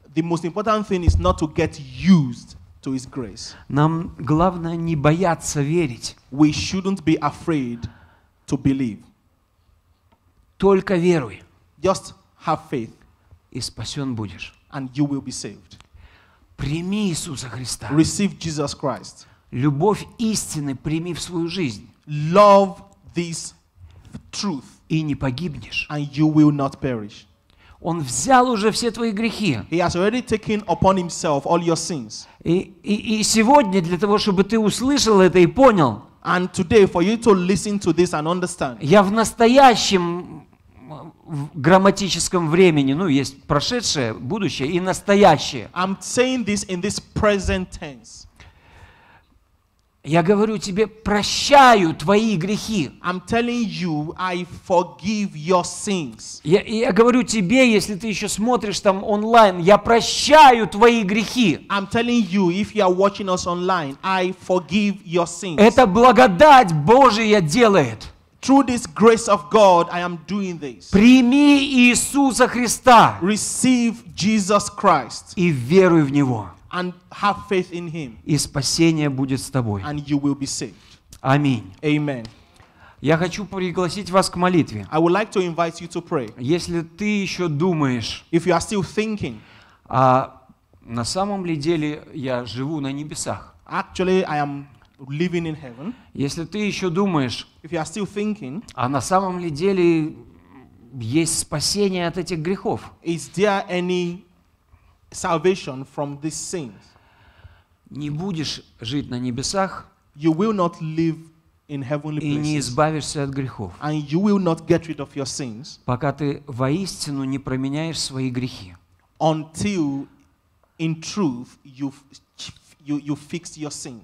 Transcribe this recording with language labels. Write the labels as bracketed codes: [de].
[en] The most important thing is not to get used to His grace. [ru] Нам главное не бояться верить. [en] We shouldn't be afraid to believe. [ru] Только веруй. [en] Just have faith. [ru] И спасен будешь. [en] And you will be saved. [ru] Прими Иисуса Христа. [en] Receive Jesus Christ. [ru] Любовь истины прими в свою жизнь. [en] Love this truth. [ru] И не погибнешь. [en] And you will not perish. [ru] Он взял уже все твои грехи. [en] He has already taken upon himself all your sins. [ru] И сегодня для того, чтобы ты услышал это и понял. [en] And today for you to listen to this and understand. [ru] Я в настоящем в грамматическом времени, ну, есть прошедшее, будущее и настоящее. [en] I'm saying this in this present tense. [ru] Я говорю тебе, прощаю твои грехи. [en] I'm telling you, I forgive your sins. [ru] Я говорю тебе, если ты еще смотришь там онлайн, я прощаю твои грехи. [en] I'm telling you, if you are watching us online, I forgive your sins. [ru] Это благодать Божия делает. [en] Through this grace of God, I am doing this. [ru] Прими Иисуса Христа. [en] Receive Jesus Christ. [ru] И веруй в Него. [en] And have faith in him. [ru] И спасение будет с тобой. [en] And you will be saved. [ru] Аминь. [en] Amen. [ru] Я хочу пригласить вас к молитве. [en] I would like to invite you to pray. [ru] Если ты еще думаешь, [en] if you are still thinking, [ru] а на самом ли деле я живу на небесах? [en] Actually, I am living in heaven. [ru] Если ты еще думаешь, [en] if you are still thinking, [ru] а на самом ли деле есть спасение от этих грехов? [en] Is there any salvation from these sins? [ru] Не будешь жить на небесах, [en] you will not live in heavenly places, [ru] и не избавишься от грехов, [en] and you will not get rid of your sins, [ru] пока ты воистину не променяешь свои грехи, [en] until in truth you fix your sins,